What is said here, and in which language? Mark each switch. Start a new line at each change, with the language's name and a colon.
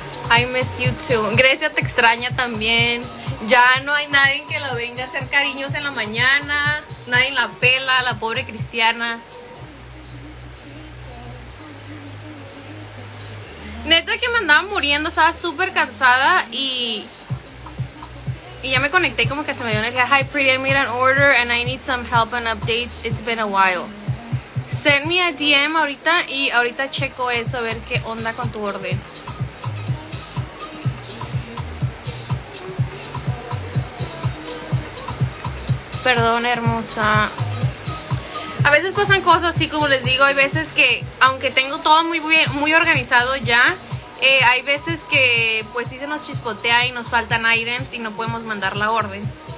English: I miss you too.
Spanish: Grecia te extraña también. Ya no hay nadie que la venga a hacer cariños en la mañana. Nadie la pela, la pobre Cristiana. Neta que me andaba muriendo, estaba súper cansada y ya me conecté, como que se me dio energía.
English: Hi pretty, I made an order and I need some help and updates. It's been a while. Send me a DM
Spanish: ahorita y ahorita checo eso, a ver qué onda con tu orden. Perdón, hermosa. A veces pasan cosas, así como les digo. Hay veces que, aunque tengo todo muy bien, muy organizado ya, hay veces que, pues sí se nos chispotea y nos faltan items y no podemos mandar la orden.